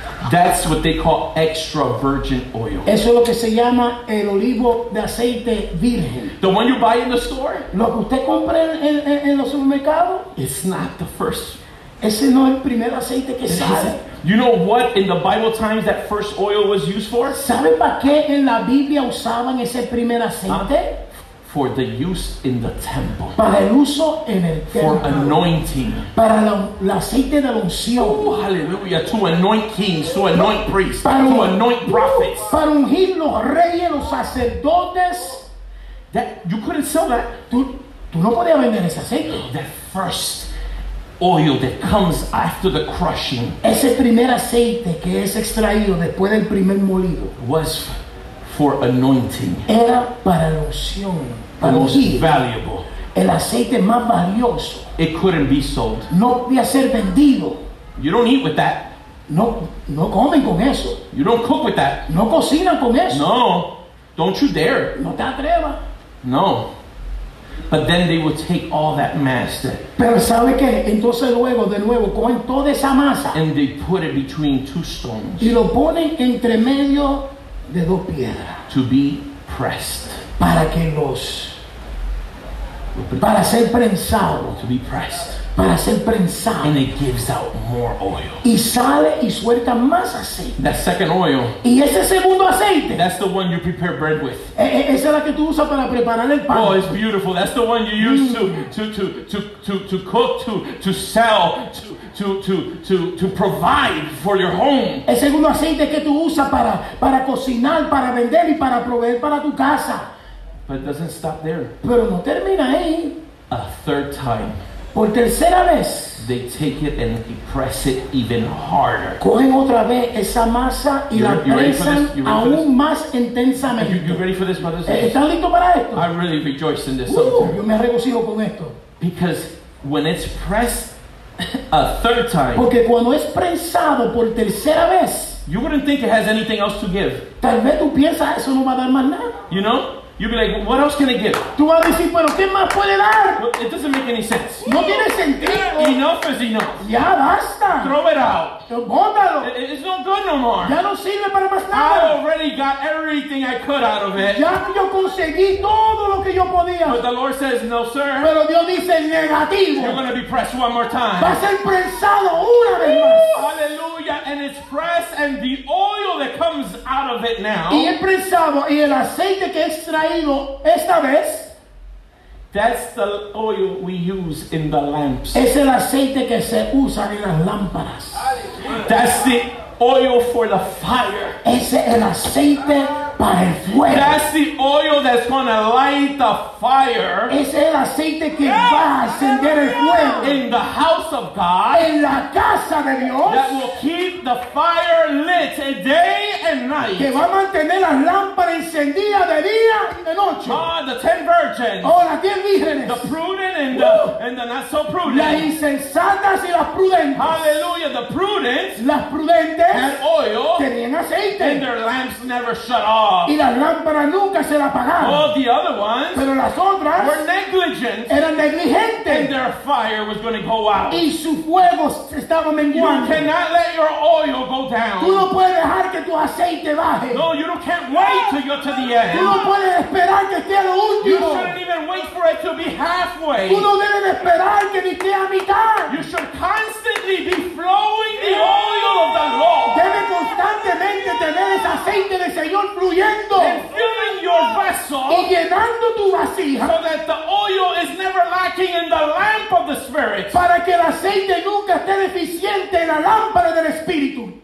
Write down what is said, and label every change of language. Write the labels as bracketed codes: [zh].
[en] That's what they call extra virgin oil. [es] Eso es lo que se llama el olivo de aceite virgen. [en] The one you buy in the store? [es] Lo que usted compra en los supermercados? [en] It's not the first. [es] Ese no es el primer aceite que sale. [en] You know what in the Bible times that first oil was used for? [es] ¿Sabe para qué en la Biblia usaban ese primer aceite? [en] For the use in the temple. [es] Para el uso en el templo. [en] For anointing. [es] Para el aceite de la unción. [en] Oh, hallelujah. To anoint kings, to anoint priests, to anoint prophets. [es] Para ungir los reyes, los sacerdotes. [en] That you couldn't sell that. [es] Tú no podías vender ese aceite. [en] That first oil that comes after the crushing. [es] Ese primer aceite que es extraído después del primer molido. [en] Was for anointing. [es] Era para la unción. Para [en] the most [es] ungir. [en] Valuable. [es] El aceite más valioso. [en] It couldn't be sold. [es] No podía ser vendido. [en] You don't eat with that. [es] No comen con eso. [en] You don't cook with that. [es] No cocinan con eso. [en] No. Don't you dare. [es] No te atrevas. No. [en] But then they would take all that mass. That, [es] pero sabe qué? Entonces luego, de nuevo, cogen toda esa masa. [en] And they put it between two stones. [es] Y lo ponen entre medio de dos piedras. [en] To be pressed. [es] Para que los. Para ser prensado. [en] To be pressed. [es] Para ser prensado. [en] And it gives out more oil. [es] Y sale y suelta más aceite. [en] That second oil. [es] Y ese segundo aceite. [en] That's the one you prepare bread with. [es] Esa es la que tú usas para preparar el pan. [en] Oh, it's beautiful. That's the one you use to cook, to sell, to provide for your home. [es] El segundo aceite que tú usas para cocinar, para vender y para proveer para tu casa. [en] But it doesn't stop there. [es] Pero no termina ahí. [en] A third time. [es] Por tercera vez, [en] they take it and they press it even harder. [es] Cogen otra vez esa masa y la presan aún más intensamente. [en] You ready for this, brothers? [es] ¿Están listos para esto? [en] I really rejoice in this. [es] Yo me regocijo con esto. [en] Because when it's pressed a third time, [es] porque cuando es prensado por tercera vez, [en] you wouldn't think it has anything else to give. [es] Tal vez tú piensas, eso no va a dar más nada. [en] You know? You'd be like, well, what else can it give? [es] Tú vas a decir, bueno, ¿qué más puede dar? [en] Well, it doesn't make any sense. [es] No tiene sentido. [en] Enough is enough. [es] Ya basta. [en] Throw it out. [es] Bótalo. [en] It's not good no more. [es] Ya no sirve para más nada. [en] I already got everything I could out of it. [es] Ya yo conseguí todo lo que yo podía. [en] But the Lord says, no, sir. [es] Pero Dios dice, negativo. [en] You're going to be pressed one more time. [es] Va a ser prensado una vez más. [en] Hallelujah. And it's pressed and the oil that comes out of it now. [es] Y es prensado y el aceite que extra. Esta vez, [en] that's the oil we use in the lamps. [es] Es el aceite que se usa en las lámparas. [en] That's the oil for the fire. [es] Ese es el aceite para el fuego. [en] That's the oil that's going to light the fire. [es] Ese es el aceite que va a encender el fuego. [en] In the house of God. [es] En la casa de Dios. [en] That will keep the fire lit day and night. [es] Que va a mantener las lámparas encendidas de día y de noche. [en] Ah, the 10 virgins. [es] Oh, las 10 vírgenes. [en] The prudent and the not so prudent. [es] Las insensatas y las prudentes. [en] Hallelujah, the prudent. [es] Las prudentes. [en] Had oil. [es] Tenían aceite. [en] And their lamps never shut off. [es] Y las lámparas nunca se la apagaron. [en] Well, the other ones. [es] Pero las otras. [en] Were negligent. [es] Eran negligentes. [en] And their fire was going to go out. [es] Y su fuego estaba menguando. [en] You cannot let your oil go down. [es] Tú no puedes dejar que tu aceite baje. [en] No, you don't, can't wait till you're to the end. [es] Tú no puedes esperar que esté a lo último. [en] You shouldn't even wait for it to be halfway. [es] Tú no debes esperar que esté a mitad. [en] You should constantly be flowing the oil of the Lord. [es] Debe constantemente tener ese aceite del Señor fluyendo. [en] And filling your vessel. [es] Y llenando tu vasija. [en] So that the oil is never lacking in the lamp of the Spirit. [es] Para que el aceite nunca esté deficiente en la lámpara del Espíritu.